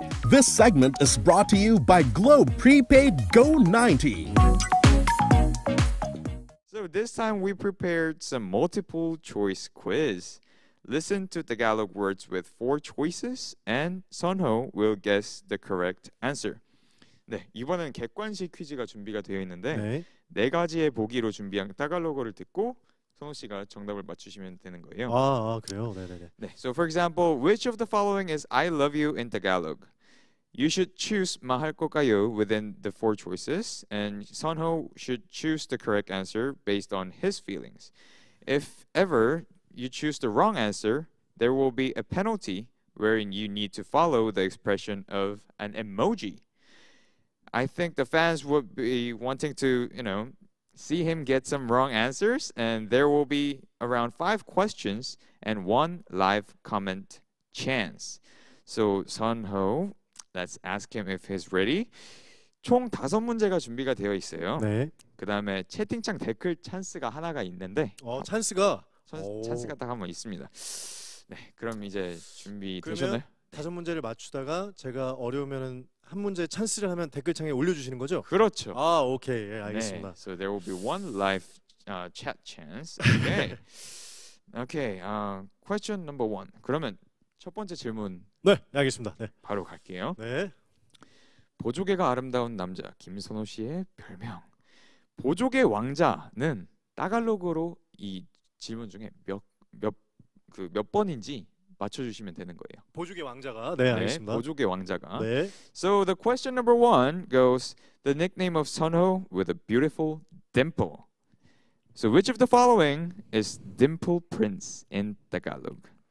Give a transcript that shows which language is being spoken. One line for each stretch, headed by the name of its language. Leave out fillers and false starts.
English: This segment is brought to you by Globe Prepaid Go 90. So this time we prepared some multiple choice quiz. Listen to Tagalog words with four choices and Sunho will guess the correct answer.
Korean: 네, 이번에는 객관식 퀴즈가 준비가 되어 있는데 네 가지의 보기로 준비한 타갈로그를 듣고 성우 씨가 정답을 맞추시면 되는 거예요. 아, 아 그래요? 네네네. 네,
English: so for example, which of the following is I love you in Tagalog? You should choose 마할 것 같아요 within the four choices and Sunho should choose the correct answer based on his feelings. If ever you choose the wrong answer, there will be a penalty wherein you need to follow the expression of an emoji. I think the fans would be wanting to, you know, see him get some wrong answers, and there will be around 5 questions and 1 live comment chance. So, Sunho, let's ask him if he's ready.
Korean: 총 다섯 문제가 준비가 되어 있어요. 네. 그 다음에 채팅창 댓글 찬스가 하나가 있는데. 찬스가? 찬스가 딱 한 번 있습니다. 네, 그럼 이제 준비 되셨나요? 그러면 다섯 문제를 맞추다가 제가 어려우면은 한 문제 찬스를 하면 댓글 창에 올려주시는 거죠? 그렇죠. 아, 오케이, 예, 알겠습니다.
English: 네, so there will be one live chat chance. Okay. Okay. Question number one.
Korean: 그러면 첫 번째 질문. 네, 알겠습니다. 네. 바로 갈게요. 네. 보조개가 아름다운 남자 김선호 씨의 별명 보조개 왕자는 따갈로그로 이 질문 중에 몇 번인지 맞춰주시면 되는 거예요. 보조개 왕자가 네 알겠습니다. 네, 보조개 왕자가. 네.
English: So the question number one goes the nickname of Sunho with a beautiful dimple. So which of the following is Dimple Prince in Tagalog?